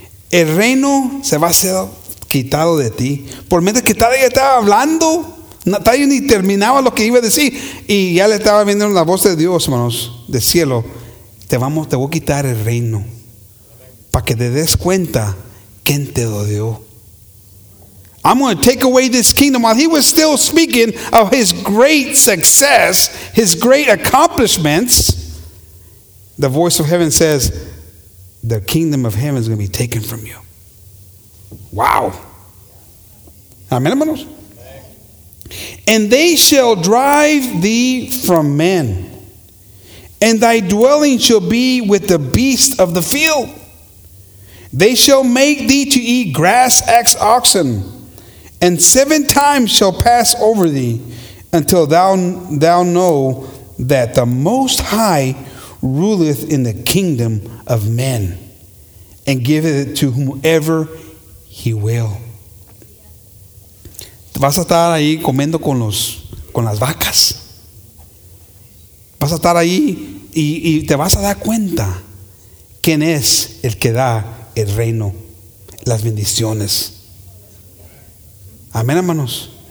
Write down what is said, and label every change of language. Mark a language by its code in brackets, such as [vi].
[es] El reino se va a ser quitado de ti. Por medio que todavía estaba hablando, todavía ni terminaba lo que iba a decir, y ya le estaba viendo la voz de Dios, hermanos, de cielo, te voy a quitar el reino para que te des cuenta. ¿Quién te lo dio? [en] I'm going to take away this kingdom. While he was still speaking of his great success, his great accomplishments, the voice of heaven says, the kingdom of heaven is going to be taken from you. Wow. [es] Amen, hermanos. [en] And they shall drive thee from men, and thy dwelling shall be with the beast of the field. They shall make thee to eat grass as oxen, and seven times shall pass over thee until thou know that the Most High ruleth in the kingdom of men and giveth it to whomever he will. [es] Vas a estar ahí comiendo con las vacas. Vas a estar ahí y te vas a dar cuenta quién es el que da el reino, las bendiciones. Amén, hermanos.